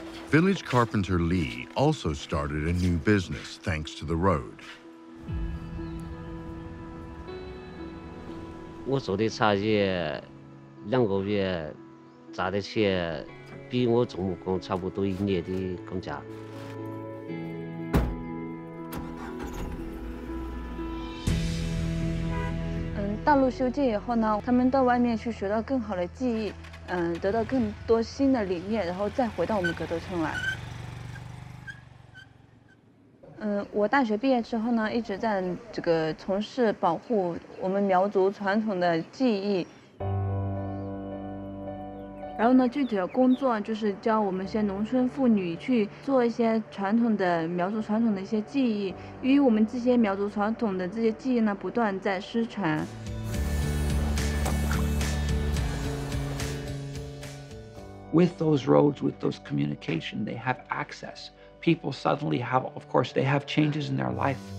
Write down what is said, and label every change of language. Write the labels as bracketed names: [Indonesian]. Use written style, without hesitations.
[English] Village carpenter Lee also started a new business thanks to the road. [Chinese] 我做的茶叶，两个月赚的钱，比我做木工差不多一年的工价。大陆修建以后呢，他们到外面去学到更好的技艺。得到更多新的理念，然后再回到我们格斗村来。我大学毕业之后呢，一直在这个从事保护我们苗族传统的技艺。然后呢，具体的工作就是教我们一些农村妇女去做一些传统的苗族传统的一些技艺，因为我们这些苗族传统的这些技艺呢，不断在失传。 [English] With those roads, with those communication, they have access. People suddenly have, of course, they have changes in their life.